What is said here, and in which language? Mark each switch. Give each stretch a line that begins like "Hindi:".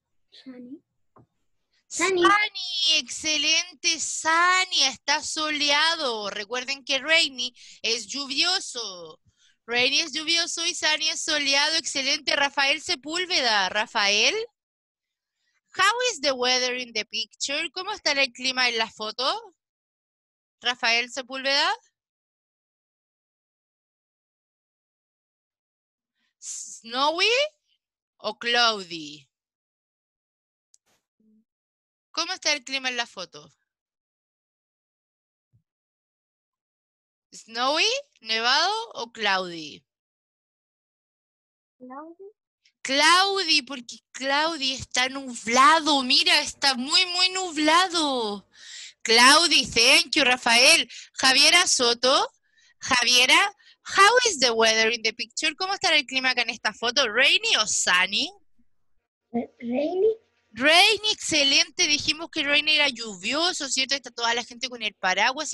English: Sunny.
Spanish: Sunny, excelente, sunny, está soleado. Recuerden que rainy es lluvioso. Rainy es lluvioso y sunny es soleado, excelente. Rafael Sepúlveda, Rafael.
English: How is the weather in the picture?
Spanish: ¿Cómo estará el clima en la foto? Rafael Sepúlveda.
English: ¿Snowy o cloudy?
Spanish: ¿Cómo está el clima en la foto? ¿Snowy, nevado o cloudy?
English: Cloudy,
Spanish: porque cloudy está nublado. Mira, está muy, muy nublado.
English: Cloudy, thank you, Rafael. Javiera Soto. Javiera, how is the weather in the picture?
Spanish: ¿Cómo estará el clima acá en esta foto?
English: ¿Rainy o sunny? Rainy.
Spanish: Rainy, excelente. Dijimos que rainy era lluvioso, ¿cierto? Está toda la gente con el paraguas.